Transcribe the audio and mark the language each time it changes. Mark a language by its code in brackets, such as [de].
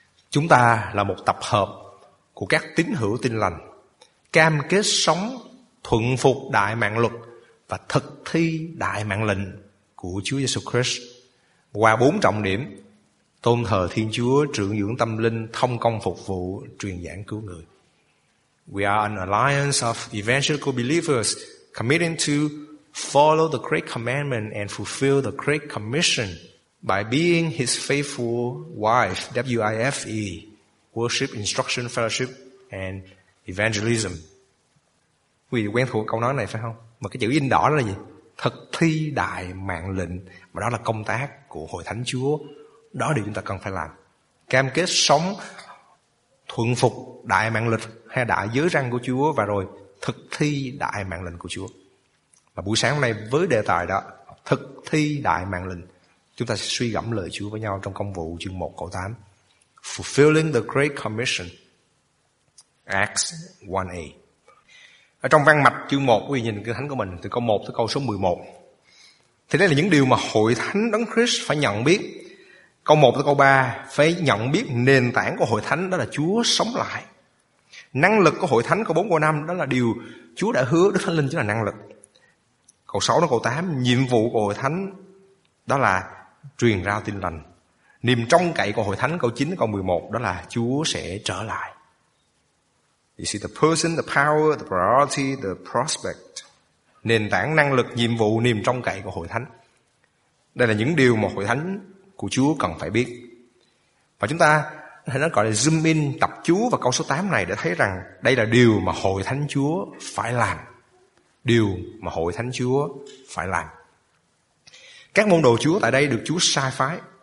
[vi] Chúng ta là một tập hợp của các tín hữu tin lành, cam kết sống thuận phục đại mạng luật và thực thi đại mạng lệnh của Chúa Jesus Christ qua bốn trọng điểm: tôn thờ Thiên Chúa, trưởng dưỡng tâm linh, thông công phục vụ, truyền giảng cứu người. [en] We are an alliance of evangelical believers committing to follow the great commandment and fulfill the great commission by being his faithful wife, WIFE, worship, instruction, fellowship, and evangelism. [vi] Quý vị quen thuộc câu nói này phải không? Mà cái chữ in đỏ là gì? Thực thi đại mạng lệnh, và đó là công tác của Hội Thánh Chúa. Đó là điều chúng ta cần phải làm. Cam kết sống thuận phục đại mạng lệnh hay đại giới răn của Chúa, và rồi thực thi đại mạng lệnh của Chúa. Và buổi sáng hôm nay với đề tài đó, thực thi đại mạng lệnh, chúng ta sẽ suy gẫm lời Chúa với nhau trong công vụ chương 1 câu 8. [en] Fulfilling the Great Commission, Acts 1a. [vi] Ở trong văn mạch chương 1, quý vị nhìn cái thánh của mình từ câu 1 tới câu số 11. Thì đây là những điều mà hội thánh Đấng Christ phải nhận biết. Câu 1 tới câu 3 phải nhận biết nền tảng của hội thánh, đó là Chúa sống lại. Năng lực của hội thánh, câu 4 câu 5 đó là điều Chúa đã hứa, Đức Thánh Linh chính là năng lực. Câu 6 đến câu 8, nhiệm vụ của hội thánh đó là truyền rao tin lành. Niềm trông cậy của hội thánh, câu 9 đến câu 11 đó là Chúa sẽ trở lại. [en] You see the person, the power, the priority, the prospect. [vi] Nền tảng, năng lực, nhiệm vụ, niềm trông cậy của hội thánh. Đây là những điều mà hội thánh của Chúa cần phải biết. Và chúng ta hãy nói gọi là zoom in, tập chú vào câu số 8 này để thấy rằng đây là điều mà hội thánh Chúa phải làm điều mà hội thánh Chúa phải làm. Các môn đồ Chúa tại đây được Chúa sai phái.